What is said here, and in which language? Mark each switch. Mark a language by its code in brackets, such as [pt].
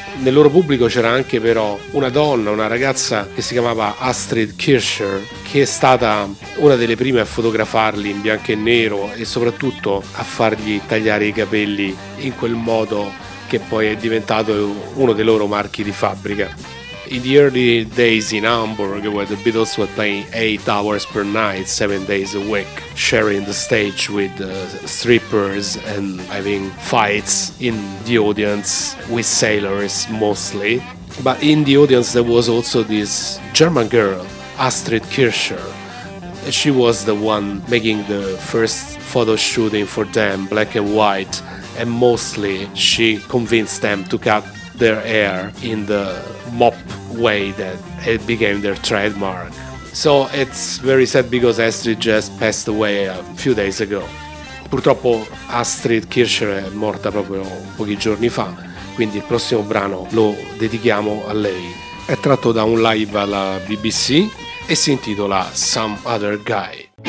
[it] Nel loro pubblico c'era anche però una donna, una ragazza che si chiamava Astrid Kircher, che è stata una delle prime a fotografarli in bianco e nero e soprattutto a fargli tagliare i capelli in quel modo che poi è diventato uno dei loro marchi di fabbrica. [en] In the early days in Hamburg, where the Beatles were playing 8 hours per night, 7 days a week, sharing the stage with strippers and having fights in the audience with sailors mostly. But in the audience there was also this German girl, Astrid Kircher. She was the one making the first photo shooting for them, black and white, and mostly she convinced them to cut their hair in the mop way that it became their trademark. So it's very sad because Astrid just passed away a few days ago. [it] Purtroppo Astrid Kircher è morta proprio pochi giorni fa, quindi il prossimo brano lo dedichiamo a lei. È tratto da un live alla BBC e si intitola Some Other Guy.